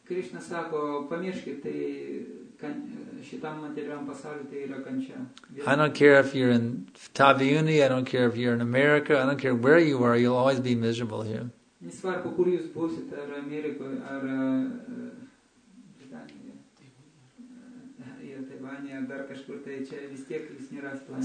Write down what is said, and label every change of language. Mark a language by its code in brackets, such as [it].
[lt] Krishna sako, pamirškit, tai šitam materialiam pasauliui tai yra kančia. [en] I don't care if you're in Taviuni, I don't care if you're in America, I don't care where you are, you'll always be miserable here. [lt] Nesvarbu, kur jūs būsit, ar Amerikoje, ar Britanijoje, Taivanyje, ar dar kažkur, tai čia vis tiek jūs nerasit laimės.